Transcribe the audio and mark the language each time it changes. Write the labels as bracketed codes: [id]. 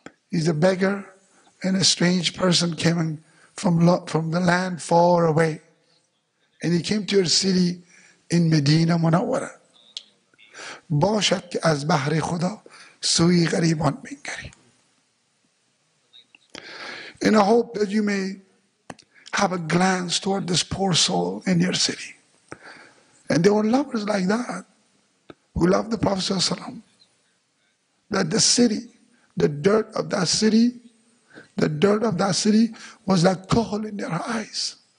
[en] He's a beggar and a strange person came from the land far away. And he came to your city in Medina Munawwara. [fa] باشد که از بحر خدا سوی غریبان بنگری. [en] And I hope that you may have a glance toward this poor soul in your city. And there were lovers like that who loved the Prophet ﷺ. That the city, the dirt of that city, the dirt of that city was like kohl in their eyes.